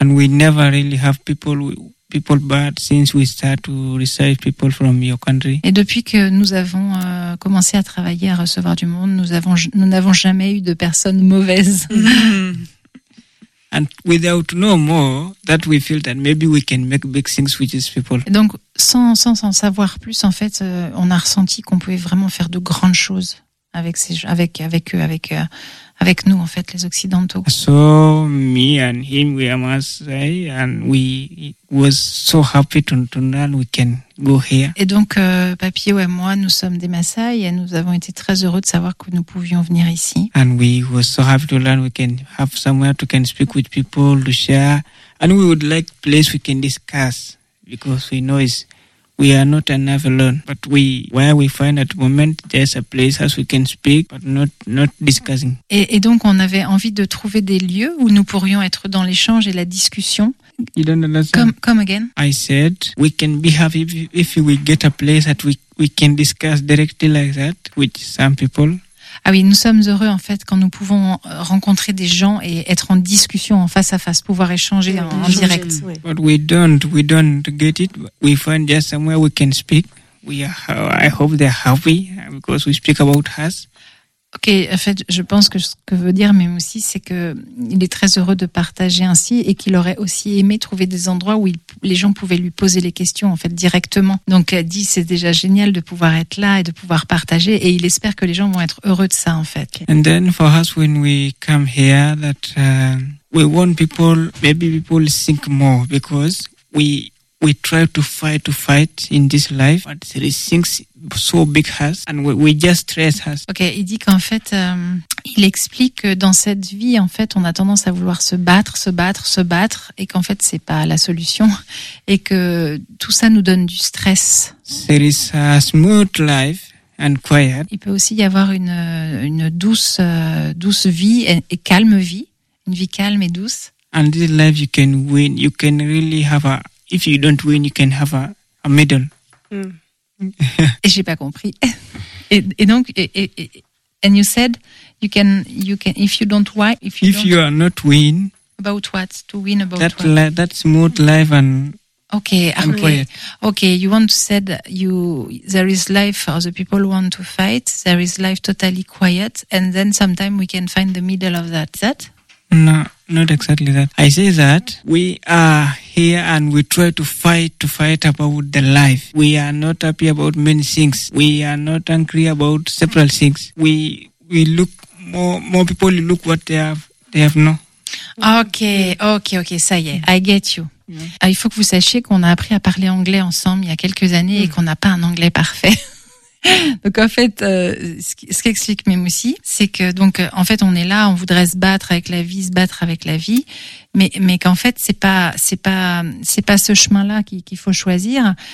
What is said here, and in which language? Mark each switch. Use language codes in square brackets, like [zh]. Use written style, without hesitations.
[en] And we never really have people bad since we start to receive people from your country. [fr] Et depuis que nous avons commencé à travailler à recevoir du monde, nous n'avons jamais eu de personnes mauvaises. [en] And without no more that we feel that maybe we can make big things with these people. [fr] Et donc sans savoir plus en fait, on a ressenti qu'on pouvait vraiment faire de grandes choses avec nous en fait les occidentaux. [en] So me and him we are Maasai and we was so happy to know we can go here. [fr] Et donc Papio et moi nous sommes des Maasai et nous avons été très heureux de savoir que nous pouvions venir ici. [en] And we was so happy to learn we can have somewhere to can speak with people to share and we would like place we can discuss because we know it's we are not enough alone, but where we find at the moment, there's a place as we can speak, but not discussing. [fr] Et donc, on avait envie de trouver des lieux où nous pourrions être dans l'échange et la discussion. [en] You don't understand? Come again. I said, we can be happy if we get a place that we can discuss directly like that with some people. Ah oui, nous sommes heureux en fait quand nous pouvons rencontrer des gens et être en discussion en face à face, pouvoir échanger en direct. But we don't get it. We find just somewhere we can speak. We are, I hope they're happy because we speak about us. [fr] Ok, en fait, je pense que ce que veut dire Memusi, c'est qu'il est très heureux de partager ainsi et qu'il aurait aussi aimé trouver des endroits où les gens pouvaient lui poser les questions, en fait, directement. Donc, dit, c'est déjà génial de pouvoir être là et de pouvoir partager et il espère que les gens vont être heureux de ça, en fait. [en] And then, for us, when we come here, that we want people, maybe people think more because we try to fight in this life, but there is things so big us, and we just stress us. [fr] Ok, il dit qu'en fait, il explique que dans cette vie, en fait, on a tendance à vouloir se battre, et qu'en fait, c'est pas la solution, et que tout ça nous donne du stress. [en] There is a smooth life. And quiet. [fr] Il peut aussi y avoir une douce douce vie et calme vie, une vie calme et douce. [en] And this life you can win, you can really have a. If you don't win, you can have a medal. Mm. [fr] Et j'ai pas compris. Et donc, [en] and you said you can if you don't win. If you are not win. About what to win about that what? That's smooth life and. Okay. You want to said you there is life for the people who want to fight. There is life totally quiet, and then sometime we can find the middle of that. That? No, not exactly that. I say that we are here and we try to fight about the life. We are not happy about many things. We are not angry about several things. We look more people look what they have no. Okay. [fr] Ça y est. [en] I get you. Yeah. [fr] Il faut que vous sachiez qu'on a appris à parler anglais ensemble il y a quelques années et qu'on n'a pas un anglais parfait. Donc en fait, ce qu'explique Memoussi, c'est que donc en fait on est là, on voudrait se battre avec la vie, mais qu'en fait c'est pas ce chemin-là qu'il faut choisir.